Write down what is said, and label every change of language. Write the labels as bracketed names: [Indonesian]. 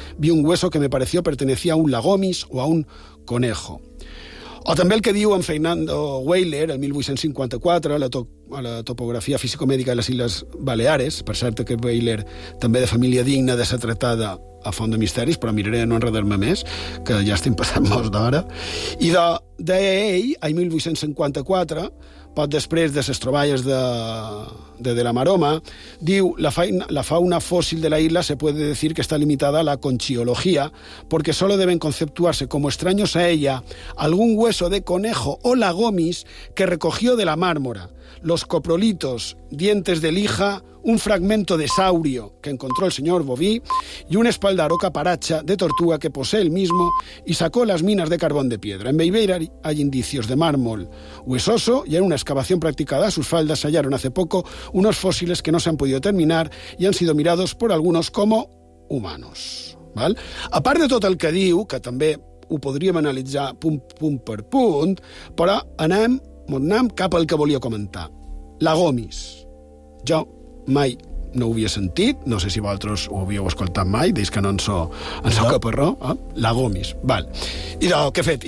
[Spanish] Vi un hueso que me pareció pertenecía a un lagomis o a un conejo. [Catalan] O també el que diu en Fernando Weyler, el 1854, a la topografia físico-mèdica de les Illes Balears. Per cert, que Weyler també de família digna de ser tractada a Font de Misteris, però miraré de no enredar-me més, que ja estem passant molts d'hora. I deia ell, el 1854, poc després de les troballes de la Maroma, diu, [Spanish] la fauna fósil de la isla se puede decir que está limitada a la conchiología, porque solo deben conceptuarse como extraños a ella algún hueso de conejo o lagomis que recogió de la mármora, los coprolitos, dientes de lija, un fragmento de saurio que encontró el señor Boví y un espaldar o caparacha de tortuga que posee el mismo y sacó las minas de carbón de piedra. En Beibeira hay indicios de mármol huesoso y en una excavación practicada a sus faldas se hallaron hace poco unos fósiles que no se han podido terminar y han sido mirados por algunos como humanos. ¿Vale? [Catalan] A part de tot el que diu, que també ho podríem analitzar punt per punt, però anem cap al que volia comentar. Lagomis. Jo mai no ho havia sentit, no sé si vosaltres ho havíeu escoltat mai, deis que no en sóc caparró, eh? Lagomis. Val. Idò, què he fet?